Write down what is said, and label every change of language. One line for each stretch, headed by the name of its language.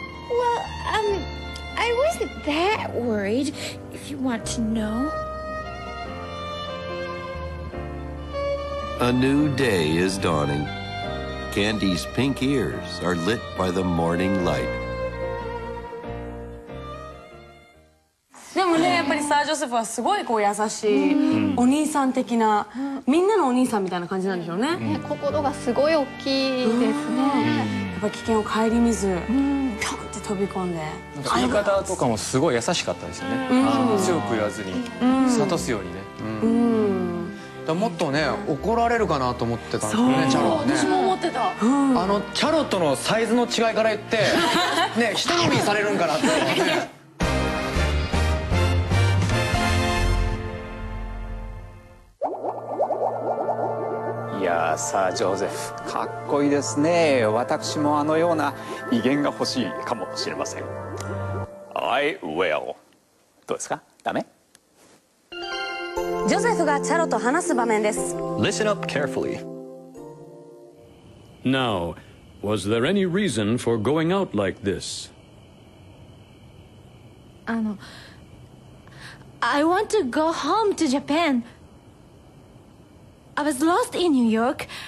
English: Well, I wasn't that worried, if you want to know. A new day is dawning. Candy's pink ears are lit by the morning light.
Japanese: でもね、やっぱりサー・ジョセフはすごいこう優しい、うん、お兄さん的な、みんなのお兄さんみたいな感じなんでしょうね。心がすごい大きいですね。やっぱ危険を顧みず、ピョンって飛び込んで、言い方とかもすごい優しかったですよね。強く言わずに諭すようにね。だもっとね、怒られるかなと思ってたんですよね、チャロはね。私も思ってた。あのチャロとのサイズの違いから言ってね、ひと伸びされるんかなって思って。さあジョーゼフかっこいいですね。私もあのような威厳が欲しいかもしれません。
English: I will。
Japanese: どうですか、ダメ？ジョゼフがチャロと話す場面です。
English: Listen up carefully. Now, was there any reason for going out like this? I want to go home to Japan. I was lost in New York.